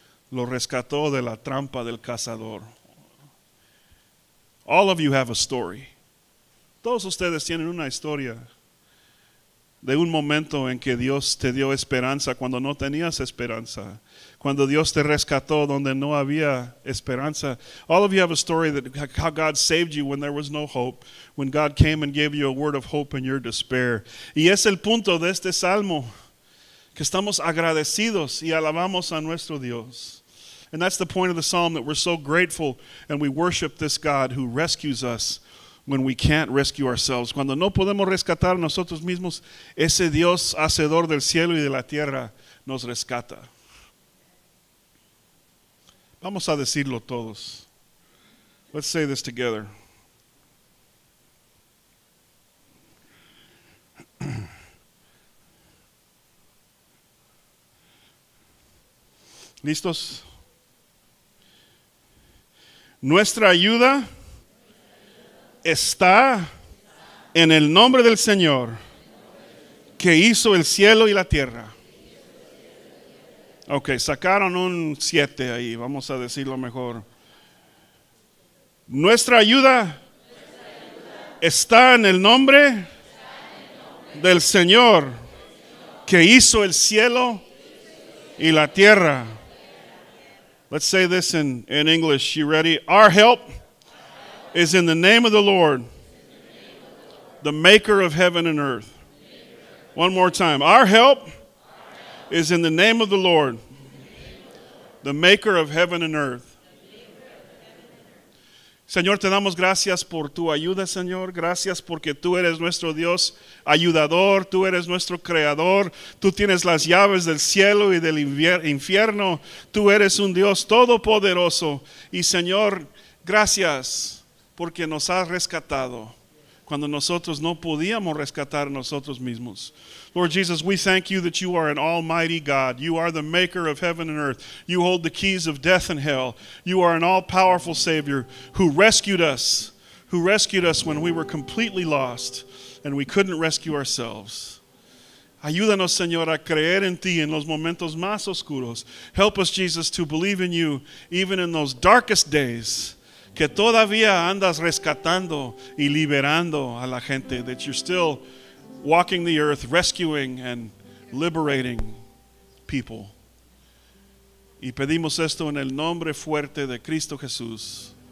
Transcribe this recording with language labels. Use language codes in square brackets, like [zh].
[es] Lo rescató de la trampa del cazador. [en] All of you have a story. [es] Todos ustedes tienen una historia. de un momento en que Dios te dio esperanza cuando no tenías esperanza, cuando Dios te rescató donde no había esperanza. [en] All of you have a story that how God saved you when there was no hope, when God came and gave you a word of hope in your despair. [es] Y es el punto de este salmo, que estamos agradecidos y alabamos a nuestro Dios. [en] And that's the point of the psalm, that we're so grateful and we worship this God who rescues us when we can't rescue ourselves. [es] Cuando no podemos rescatar nosotros mismos, ese Dios hacedor del cielo y de la tierra nos rescata. Vamos a decirlo todos. [en] Let's say this together. [es] ¿Listos? Nuestra ayuda está en el nombre del Señor que hizo el cielo y la tierra. Ok, sacaron un 7 ahí, vamos a decirlo mejor. Nuestra ayuda está en el nombre del Señor que hizo el cielo y la tierra. [en] Let's say this in English. You ready? Our help is in the name of the Lord, the maker of heaven and earth. One more time. Our help is in the name of the Lord, the maker of heaven and earth. [es] Señor, te damos gracias por tu ayuda, Señor. Gracias porque tú eres nuestro Dios ayudador. Tú eres nuestro creador. Tú tienes las llaves del cielo y del infierno. Tú eres un Dios todopoderoso. Y Señor, gracias porque nos has rescatado cuando nosotros no podíamos rescatar nosotros mismos. [en] Lord Jesus, we thank you that you are an almighty God. You are the maker of heaven and earth. You hold the keys of death and hell. You are an all-powerful Savior who rescued us when we were completely lost and we couldn't rescue ourselves. [es] Ayúdanos, Señor, a creer en ti en los momentos más oscuros. [en] Help us, Jesus, to believe in you even in those darkest days, [es] que todavía andas rescatando y liberando a la gente, [en] that you're still walking the earth, rescuing and liberating people. [es] Y pedimos esto en el nombre fuerte de Cristo Jesús.